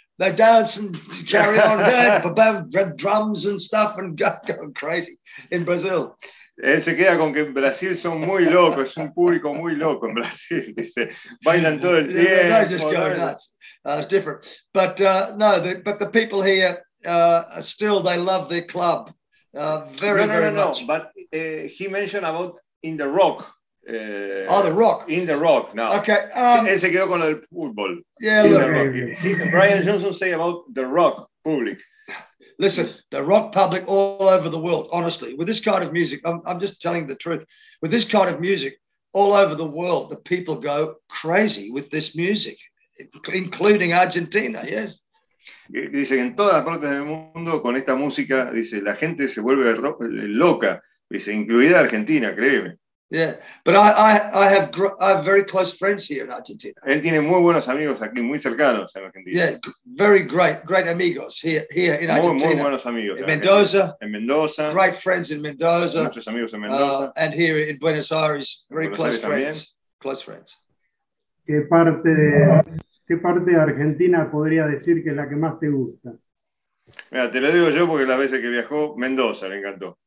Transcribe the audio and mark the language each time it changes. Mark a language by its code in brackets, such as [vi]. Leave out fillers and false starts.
[en] They dance and carry on, red drums and stuff, and going crazy in Brazil. [es] Él se queda con que en Brasil son muy locos, es un público muy loco en Brasil. Bailan todo el tiempo. [en] They just go nuts. It's different. But the people here, still, they love their club. Very much. No. But he mentioned about in the rock. The rock. In the rock, no. Okay. [es] Él se quedó con el fútbol. [en] Yeah, look. Brian Johnson say about the rock public. Listen, the rock public all over the world, honestly, with this kind of music, I'm just telling the truth, with this kind of music all over the world, the people go crazy with this music, including Argentina, yes. [es] Dice, en todas partes del mundo, con esta música, dice, la gente se vuelve loca, dice, incluida Argentina, créeme. [en] Yeah, but I have very close friends here in Argentina. [es] Él tiene muy buenos amigos aquí, muy cercanos en Argentina. [en] Yeah, very great amigos here in Argentina. [es] Muy buenos amigos. [en] In Mendoza. [es] En Mendoza. [en] Great friends in Mendoza. [es] Muchos amigos en Mendoza. [en] And here in Buenos Aires, very close friends. También. Close friends. [es] ¿Qué parte de Argentina podría decir que es la que más te gusta? Mira, te lo digo yo porque las veces que viajó, Mendoza le encantó.